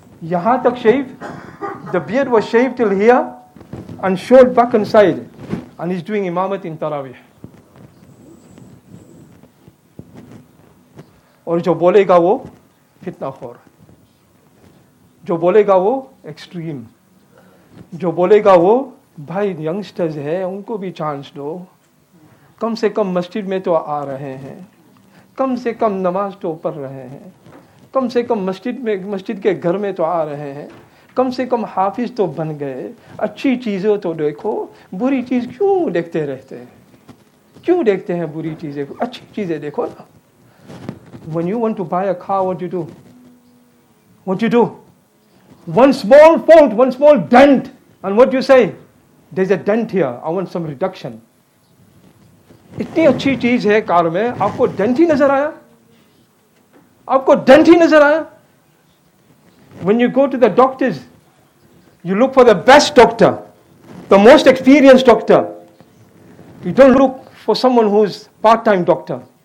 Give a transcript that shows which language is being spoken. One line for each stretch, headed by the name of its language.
Urdu: Yahan tak shaved,
English: the beard was shaved till here, and short back and side, and he's doing imamat in Tarawih.
Urdu: اور جو بولے گا وہ فتنہ خور, جو بولے گا وہ ایکسٹریم, جو بولے گا وہ بھائی ینگسٹرز ہے ان کو بھی چانس دو, کم سے کم مسجد میں تو آ رہے ہیں, کم سے کم نماز تو پڑھ رہے ہیں, کم سے کم مسجد میں مسجد کے گھر میں تو آ رہے ہیں, کم سے کم حافظ تو بن گئے, اچھی چیزوں تو دیکھو, بری چیز کیوں دیکھتے رہتے ہیں, کیوں دیکھتے ہیں بری چیزیں, اچھی چیزیں دیکھو نا.
English: When you want to buy a car, what do you do? What do you do? One small fault, one small dent, and what do you say? There's a dent here, I want some reduction.
Urdu: اتنی اچھی چیز ہے کار میں, آپ کو dent ہی نظر آیا, آپ کو ڈینٹ ہی نظر آیا.
English: When you go to the doctors, you look for the best doctor, the most experienced doctor. You don't look for someone who is part-time doctor.